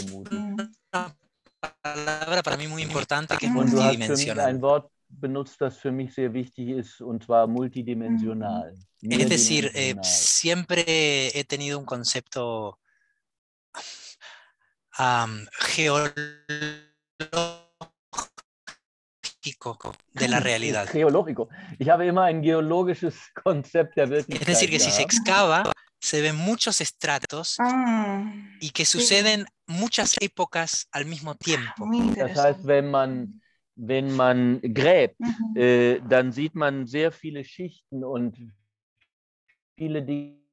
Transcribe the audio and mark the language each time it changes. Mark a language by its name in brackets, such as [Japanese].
[Spanish] una palabra para mí muy importante, que es multidimensional. [German] Benutzt, das für mich sehr wichtig ist, und zwar multidimensional. [Spanish] Es decir, siempre he tenido un concepto de la realidad. Geológico. [German] Ich habe immer ein geologisches Konzept der Wirklichkeit. [Spanish] Es decir, que si se excava, se ven muchos estratos y que suceden muchas épocas al mismo tiempo. [German] Das heißt, wenn man gräbt, dann sieht man sehr viele Schichten und viele Dinge.